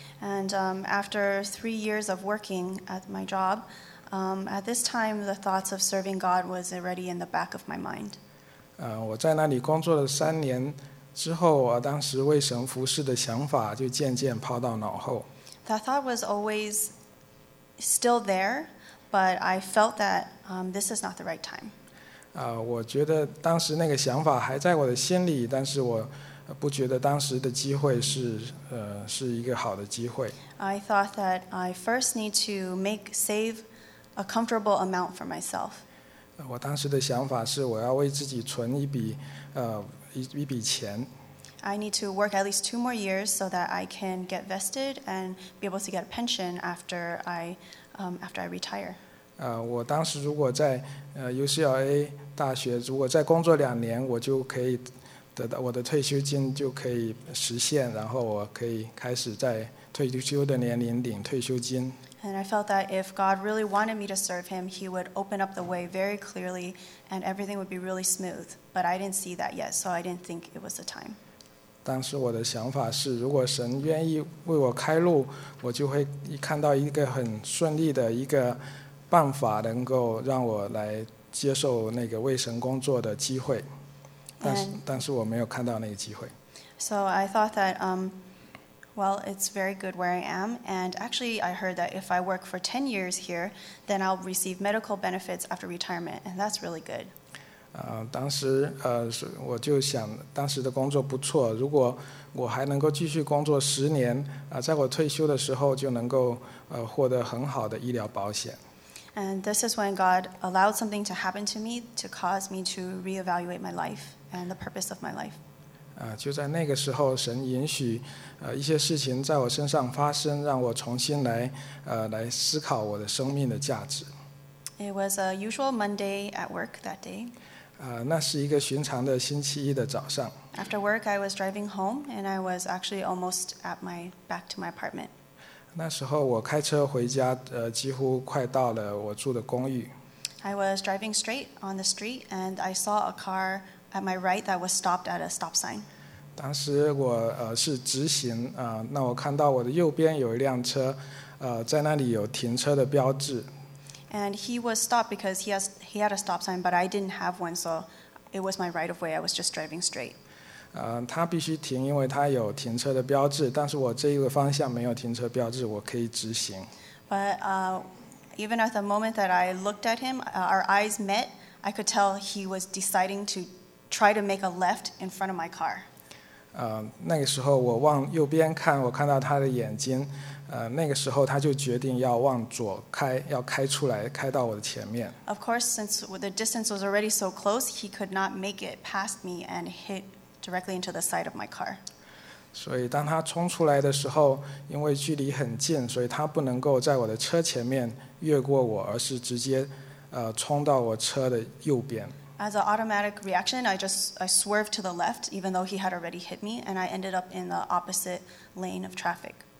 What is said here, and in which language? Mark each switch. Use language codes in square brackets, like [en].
[en] And after 3 years of working at my job, at this time, the thoughts of serving God was already in the back of my mind. [zh] 我在那里工作了三年之后，当时为神服事的想法就渐渐抛到脑后。 [en] That thought was always still there, but I felt that this is not the right time. [zh] 我觉得当时那个想法还在我的心里，但是我不觉得当时的机会是一个好的机会。 [en] I thought that I first need to save a comfortable amount for myself. [zh] 我当时的想法是我要为自己存一笔钱。 [en] I need to work at least 2 more years so that I can get vested and be able to get a pension after I retire. [zh] 我当时如果在UCLA 大学如果再工作两年，我就可以得到我的退休金就可以实现，然后我可以开始在退休的年龄领退休金。 [en] And I felt that if God really wanted me to serve Him, He would open up the way very clearly, and everything would be really smooth. But I didn't see that yet, so I didn't think it was the time. [zh] 当时我的想法是，如果神愿意为我开路，我就会看到一个很顺利的一个办法，能够让我来接受那个为神工作的机会。但是我没有看到那个机会。 [en] So I thought that Well, it's very good where I am. And actually, I heard that if I work for 10 years here, then I'll receive medical benefits after retirement. And that's really good. [zh] 当时我就想当时的工作不错。如果我还能够继续工作十年，在我退休的时候就能够获得很好的医疗保险。 [en] And this is when God allowed something to happen to me to cause me to reevaluate my life and the purpose of my life. [zh] 就在那个时候，神允许一些事情在我身上发生，让我重新来思考我的生命的价值。 [en] It was a usual Monday at work that day. [zh] 那是一个寻常的星期一的早上。 [en] After work, I was driving home, and I was actually almost at my back to my apartment. [zh] 那时候我开车回家，几乎快到了我住的公寓。 [en] I was driving straight on the street, and I saw a car at my right that was stopped at a stop sign. [zh] 当时我是直行，那我看到我的右边有一辆车，在那里有停车的标志。 [en] And he was stopped because he had a stop sign, but I didn't have one, so it was my right of way. I was just driving straight. [zh] 他必须停，因为他有停车的标志。但是我这一个方向没有停车标志，我可以直行。 [en] But even at the moment that I looked at him, our eyes met. I could tell he was deciding to try to make a left in front of my car. [zh] 那个时候我往右边看，我看到他的眼睛。那个时候他就决定要往左开，要开出来，开到我的前面。 [en] Of course, since the distance was already so close, he could not make it past me and hit. Directly into the side of my car. [zh] 所以当他冲出来的时候，因为距离很近，所以他不能够在我的车前面越过我，而是直接冲到我车的右边。 [en] As an automatic reaction, I swerved to the left, even though he had already hit me, and I ended up in the opposite lane of traffic.